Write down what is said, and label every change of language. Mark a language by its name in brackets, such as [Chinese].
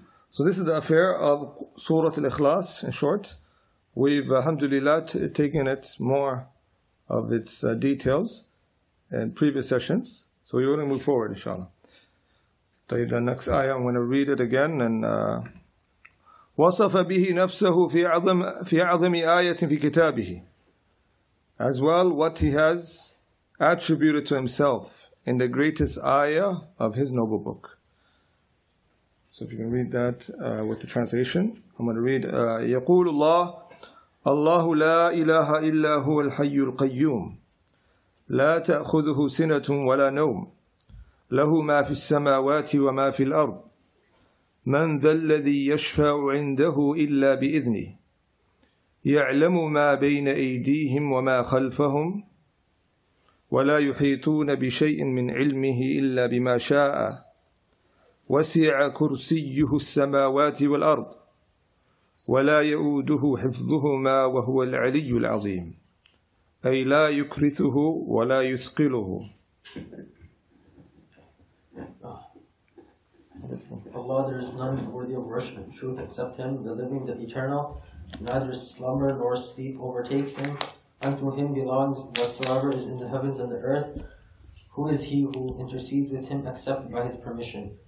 [English] So this is the affair of Surah Al-Ikhlas, in short. We've, alhamdulillah, taken it more of its details and previous sessions. So we want to move forward, inshallah. طيب next ayah, I'm going to read it again. And [Arabic] وصف به نفسه في عظم آية في كتابه. [English] As well, what he has attributed to himself in the greatest ayah of his noble book. So if you can read that with the translation, I'm going to read. [Arabic] يقول الله الله لا إله إلا هو الحي القيوم لا تأخذه سنة ولا نوم له ما في السماوات وما في الأرض من ذا الذي يشفع عنده إلا بإذنه يعلم ما بين أيديهم وما خلفهم ولا يحيطون بشيء من علمه إلا بما شاء وسع كرسيه السماوات والأرض ولا يؤوده حفظهما وهو العلي العظيم أي لا يكرثه ولا يثقله. [English] Allah, there is none worthy of worship and truth except Him, the living, the eternal. Neither slumber nor sleep overtakes Him. Unto Him belongs whatsoever is in the heavens and the earth. Who is He who intercedes with Him except by His permission?